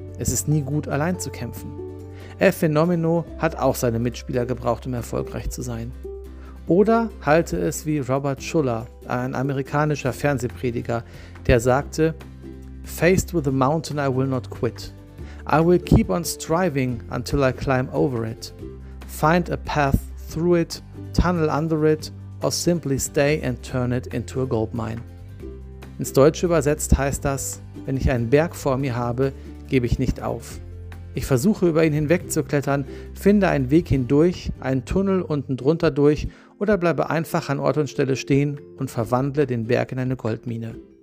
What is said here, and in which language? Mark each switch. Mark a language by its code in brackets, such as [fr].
[de] Es ist nie gut, allein zu kämpfen. El Fenomeno hat auch seine Mitspieler gebraucht, um erfolgreich zu sein. Oder halte es wie Robert Schuller, ein amerikanischer Fernsehprediger, der sagte: [en] "Faced with a mountain, I will not quit. I will keep on striving until I climb over it. Find a path through it, tunnel under it, or simply stay and turn it into a gold mine." [de] Ins Deutsche übersetzt heißt das: Wenn ich einen Berg vor mir habe, gebe ich nicht auf. Ich versuche, über ihn hinwegzuklettern, finde einen Weg hindurch, einen Tunnel unten drunter durch oder bleibe einfach an Ort und Stelle stehen und verwandle den Berg in eine Goldmine.